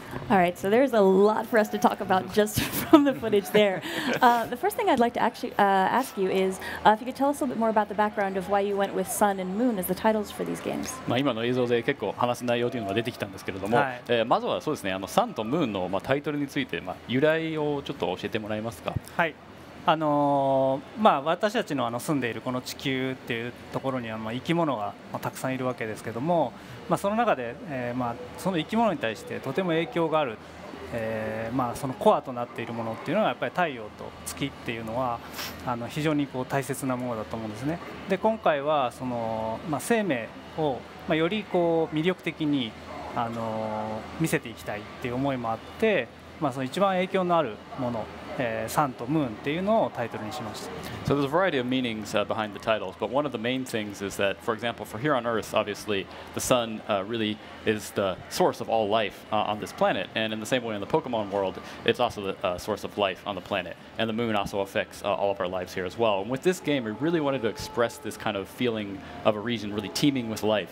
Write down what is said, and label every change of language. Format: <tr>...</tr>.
<en>All right, so there's a lot for us to talk about just from the footage there. The first thing I'd like to ask you is if you could tell us a little bit more about the background of why you went with Sun and Moon as the titles for these games.</en> <ja>まあ今の映像で結構話す内容というのが出てきたんですけれども、まずはそうですね、サンとムーンの、タイトルについて、由来をちょっと教えてもらえますか。はい。私たちの住んでいるこの地球っていうところには、生き物がたくさんいるわけですけども、その中で、その生き物に対してとても影響がある。まあ、そのコアとなっているものっていうのはやっぱり太陽と月っていうのはあの非常にこう大切なものだと思うんですね。で今回はその、まあ、生命を、まあ、よりこう魅力的にあの見せていきたいっていう思いもあって、まあ、その一番影響のあるもの、サンとムーンっていうのをタイトルにしました。</ja> <en>So there's a variety of meanings behind the titles, but one of the main things is that, for example, for here on Earth, obviously, the sun really is the source of all life on this planet. And in the same way in the Pokemon world, it's also the source of life on the planet. And the moon also affects all of our lives here as well. And with this game, we really wanted to express this kind of feeling of a region really teeming with life.</en>